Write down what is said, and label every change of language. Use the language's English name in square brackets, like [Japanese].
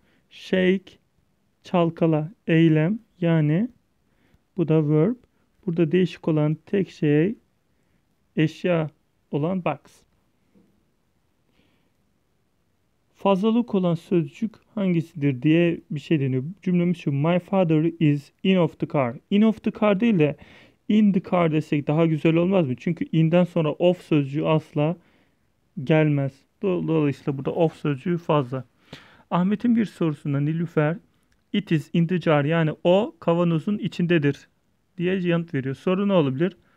[Turkish] Shake, çalkala eylem, yani bu da verb. Burada değişik olan tek şey eşya olan box. Fazlalık olan sözcük hangisidir diye bir şey deniyor. Cümlemiz şu: [English] My father is in of the car. In of the car [Turkish] değil de [English] in the car [Turkish] desek daha güzel olmaz mı? Çünkü in'den sonra of sözcüğü asla gelmez. Dolayısıyla burada of sözcüğü fazla. Ahmet'in bir sorusunda Nilüfer, [English] it is in the jar, [Turkish] yani o kavanozun içindedir diye yanıt veriyor. Soru ne olabilir?